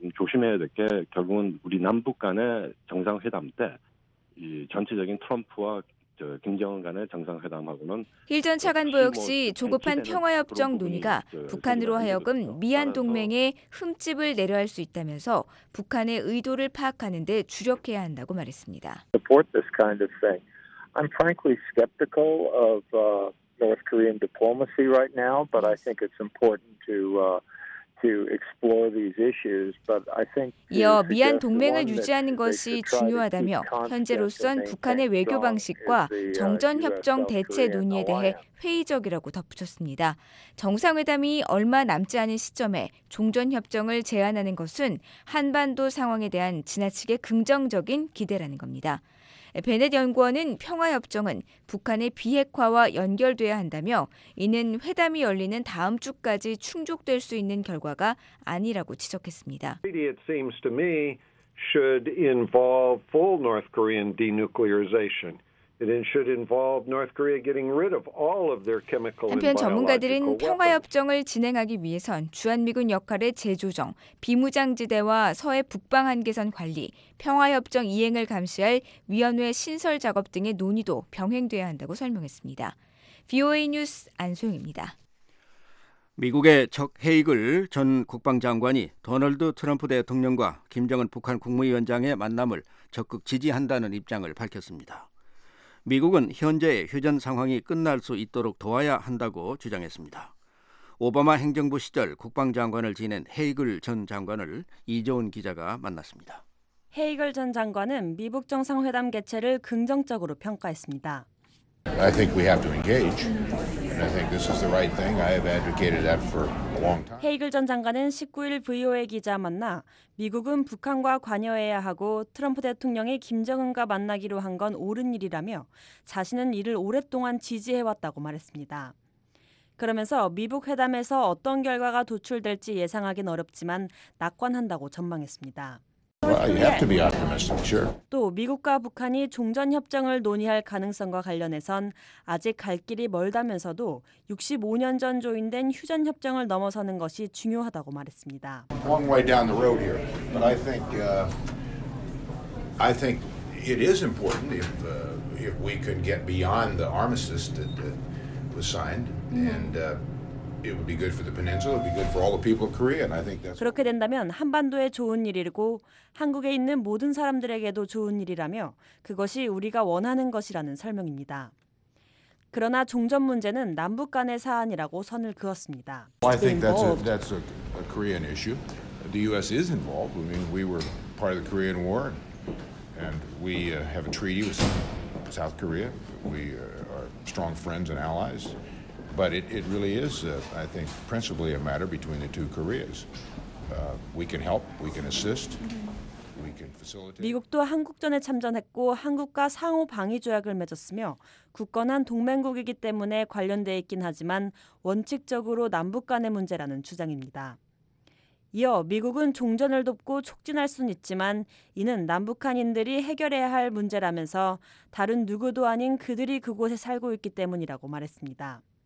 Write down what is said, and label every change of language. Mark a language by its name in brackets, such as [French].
[Korean] 조심해야 될 게 결국은 우리 남북 간의 정상회담 때 이 전체적인 트럼프와 김정은 간의 정상회담하고는 힐 전 차관보 역시 조급한 평화협정 논의가 북한으로 하여금 미한 동맹에 흠집을 내려할 수 있다면서 북한의 의도를 파악하는 데 주력해야 한다고 말했습니다. [English] Support this kind of thing. I'm frankly skeptical of North Korean diplomacy right now, but I think it's important to explore these issues, but I think [Korean] 이어 미한 동맹을 유지하는 것이 중요하다며 현재로선 북한의 외교 방식과 정전협정 대체 논의에 대해 회의적이라고 덧붙였습니다. 정상회담이 얼마 남지 않은 시점에 종전협정을 제안하는 것은 한반도 상황에 대한 지나치게 긍정적인 기대라는 겁니다. 베넷 연구원은 평화협정은 북한의 비핵화와 연결돼야 한다며 이는 회담이 열리는 다음 주까지 충족될 수 있는 결과가 아니라고 지적했습니다. [English] It seems to me should involve full North Korean denuclearization. It should involve North Korea getting rid of all of their chemical and biological weapons. [Korean] 한편 전문가들은 평화협정을 진행하기 위해선 주한미군 역할의 재조정, 비무장지대와 서해 북방한계선 관리, 평화협정 이행을 감시할 위원회 신설 작업 등의 논의도 병행돼야 한다고 설명했습니다. VOA 뉴스 안소영입니다. 미국의 척 헤이글 전 국방장관이 도널드 트럼프 대통령과 김정은 북한 국무위원장의 만남을 적극 지지한다는 입장을 밝혔습니다. 미국은 현재의 휴전 상황이 끝날 수 있도록 도와야 한다고 주장했습니다. 오바마 행정부 시절 국방장관을 지낸 헤이글 전 장관을 이재훈 기자가 만났습니다. 헤이글 전 장관은 미북 정상회담 개최를 긍정적으로 평가했습니다. [English] I think we have to engage. And I think this is the right thing. I have advocated that for a long time. [Korean] 헤이글 전 장관은 19일 VOA 기자 만나 미국은 북한과 관여해야 하고 트럼프 대통령이 김정은과 만나기로 한 건 옳은 일이라며 자신은 이를 오랫동안 지지해 왔다고 말했습니다. 그러면서 미북 회담에서 어떤 결과가 도출될지 예상하긴 어렵지만 낙관한다고 전망했습니다. [English] You have to be optimistic, sure. [Korean] 또 미국과 북한이 종전협정을 논의할 가능성과 관련해선 아직 갈 길이 멀다면서도 65년 전 조인된 휴전협정을 넘어서는 것이 중요하다고 말했습니다. [English] Long way down the road here, but I think it is important if we could get beyond the armistice that was signed and. It would be good for the peninsula. It would be good for all the people of Korea, and I think that's. [Korean] 그렇게 된다면 한반도에 좋은 일이고 한국에 있는 모든 사람들에게도 좋은 일이라며 그것이 우리가 원하는 것이라는 설명입니다. 그러나 종전 문제는 남북 간의 사안이라고 선을 그었습니다. [English] I think that's a Korean issue. The U.S. is involved. I mean, we were part of the Korean War, and we have a treaty with South Korea. We are strong friends and allies. But it really is, I think, principally a matter between the two Koreas. We can help, we can assist, we can facilitate. [Korean] 미국도 한국전에 참전했고 한국과 상호 방위 조약을 맺었으며 굳건한 동맹국이기 때문에 관련돼 있긴 하지만 원칙적으로 남북 간의 문제라는 주장입니다. 이어 미국은 종전을 돕고 촉진할 수는 있지만 이는 남북한인들이 해결해야 할 문제라면서 다른 누구도 아닌 그들이 그곳에 살고 있기 때문이라고 말했습니다.